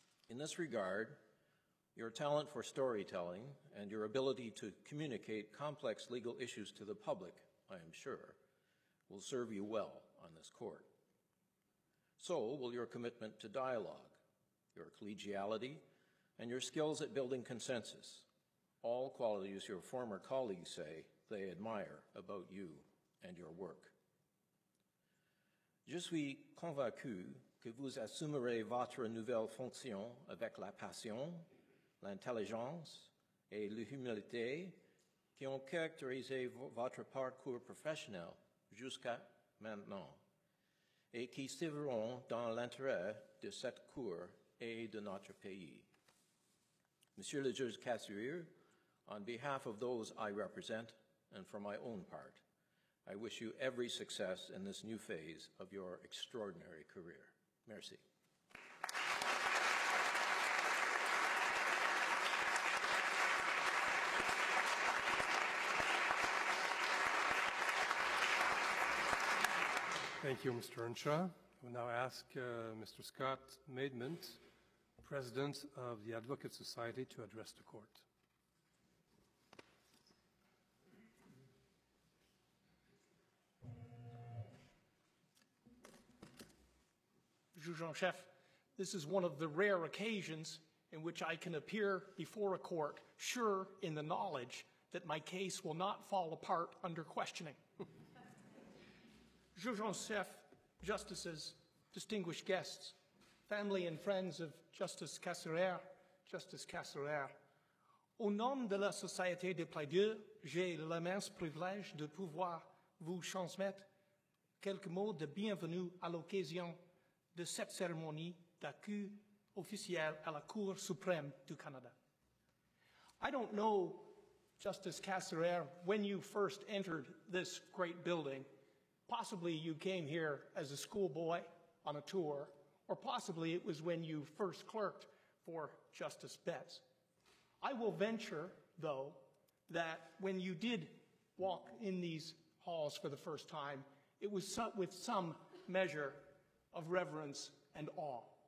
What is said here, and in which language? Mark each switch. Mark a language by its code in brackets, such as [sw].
[en] In this regard, your talent for storytelling and your ability to communicate complex legal issues to the public, I am sure, will serve you well on this court. So will your commitment to dialogue, your collegiality, and your skills at building consensus, all qualities your former colleagues say they admire about you and your work. [fr] Je suis convaincu que vous assumerez votre nouvelle fonction avec la passion, l'intelligence et l'humilité qui ont caractérisé votre parcours professionnel jusqu'à maintenant et qui serviront dans l'intérêt de cette cour et de notre pays. Monsieur le juge [en] Kassirer, on behalf of those I represent and for my own part, I wish you every success in this new phase of your extraordinary career. [fr] Merci. [en] Thank you, Mr. Earnshaw. I will now ask Mr. Scott Maidment, President of the Advocate Society, to address the court. [fr] Juge en chef, [en] this is one of the rare occasions in which I can appear before a court sure in the knowledge that my case will not fall apart under questioning. [fr] Juge en chef, [en] justices, distinguished guests, family and friends of Justice Kassirer, [fr] Justice Kassirer, au nom de la Société des plaideurs, j'ai l'immense privilège de pouvoir vous transmettre quelques mots de bienvenue à l'occasion de cette cérémonie d'accueil officielle à la Cour suprême du Canada. [en] I don't know, Justice Kassirer, when you first entered this great building. Possibly you came here as a schoolboy on a tour, or possibly it was when you first clerked for Justice Betts. I will venture, though, that when you did walk in these halls for the first time, it was with some measure of reverence and awe.